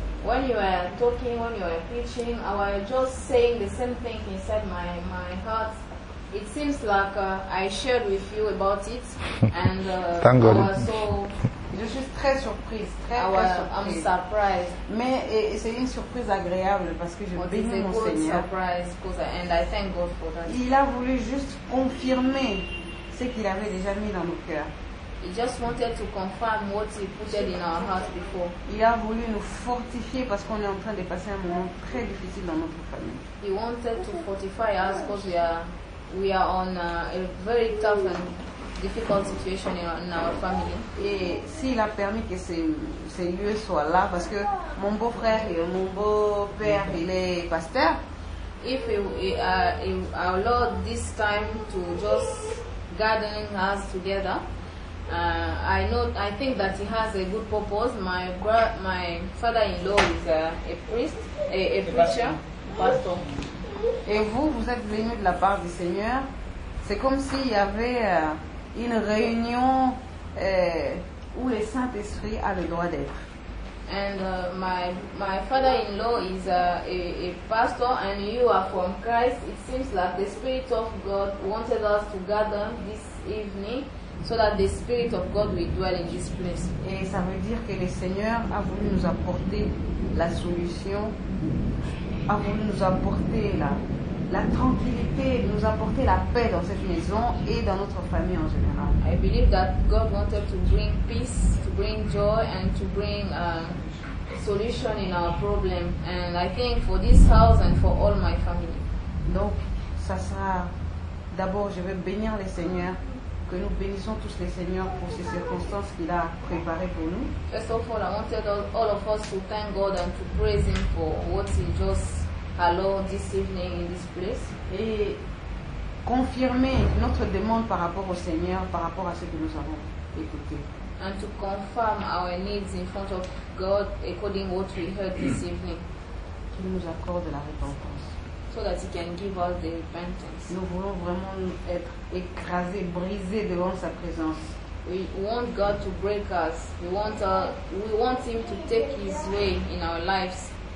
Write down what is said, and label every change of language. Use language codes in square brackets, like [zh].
[en] When you were talking, when you were preaching, I was just saying the same thing inside my heart. It seems like I shared with you about it, and thank God. [fr] Je suis très surprise, très surprise. [en] I'm surprised. [fr] Mais et c'est une surprise agréable parce que je bénis mon Seigneur. [en] Surprise, and I thank God for that. [fr] Il a voulu juste confirmer ce qu'il avait déjà mis dans nos cœurs. [en] He just wanted to confirm what he put in our hearts before. [fr] Il a voulu nous fortifier parce qu'on est en train de passer un moment très difficile dans notre famille. [en] He wanted to fortify us because we are on a very tough and difficult situation in our family. [fr] Et s'il a permis que ces lieux soient là parce que mon beau-frère et mon beau-père, il est pasteur. [en] If our Lord this time to just gathering us together. I think that he has a good purpose. My father-in-law is a preacher, pastor. [fr] Et vous êtes venu de la part du Seigneur. C'est comme s'il y avait une réunion où le Saint-Esprit a le droit d'être. [en] And my father-in-law is a pastor, and you are from Christ. It seems like the Spirit of God wanted us to gather this evening. So that the Spirit of God will dwell in this place. [fr] Et ça veut dire que le Seigneur a voulu nous apporter la solution a voulu nous apporter la tranquillité, nous apporter la paix dans cette maison et dans notre famille en général. [en] I believe that God wanted to bring peace, to bring joy and to bring solution in our problem, and I think for this house and for all my family. [fr] Donc ça sera d'abord, je vais bénir les seigneurs, que nous bénissons tous les seigneurs pour ces circonstances qu'il a préparées pour nous. [en] First of all, I wanted all of us to thank God and to praise him for what he just allowed this evening in this place. [fr] Et confirmer notre demande par rapport au Seigneur, par rapport à ce que nous avons écouté. [en] And to confirm our needs in front of God according what we heard this evening. [fr] Qu'il nous accorde la repentance. [en] So that he can give us the repentance. [fr] Nous voulons vraiment être écrasés, brisés devant sa présence. [en] We want God to break us. We want him to take his way in our lives.